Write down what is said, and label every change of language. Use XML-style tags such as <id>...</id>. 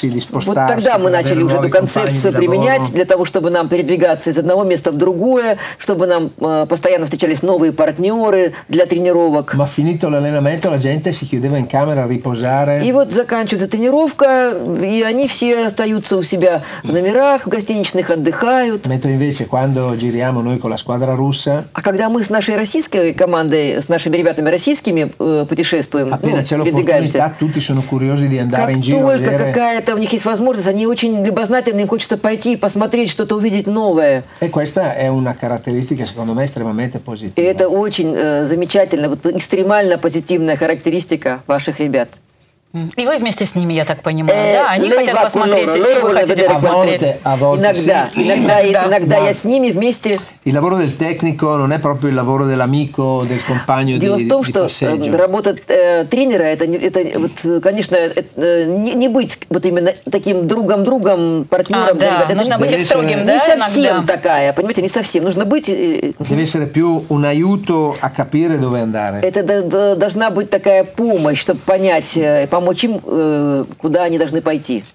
<ru>Вот тогда мы начали уже эту концепцию применять для того, чтобы нам передвигаться из одного места в другое, чтобы нам постоянно встречались новые партнеры для тренировок. И вот заканчивается тренировка, и они все остаются у себя в номерах, в гостиничных отдыхают.</ru> <it>Mentre invece quando giriamo noi con la squadra russa,</it> <ru>а когда мы с нашей российской командой, с нашими ребятами российскими путешествуем, передвигаемся, только какая-то у них есть возможность, они очень любознательны, им хочется пойти посмотреть, что-то увидеть новое.</ru> <it>E questa è una caratteristica, secondo me, estremamente positiva.</it> <ru>И это очень замечательно, вот экстремально позитивная характеристика ваших ребят. И вы вместе с ними, я так понимаю, да? Они хотят посмотреть, или вы хотите посмотреть? Иногда я с ними вместе.</ru> <it>Il lavoro del tecnico non è proprio il lavoro dell'amico, del compagno di</it> <ru>passeggio. Дело в том, что работа тренера это вот, конечно, не быть вот именно таким другом, партнером. А, да. Нужно быть строгим, да? Не совсем такая, понимаете, не совсем. Нужно быть.</ru> <it>Deve essere più un aiuto a capire dove andare.</it> <ru>Это должна быть такая помощь, чтобы понять. Помочь им, куда они должны пойти.</ru>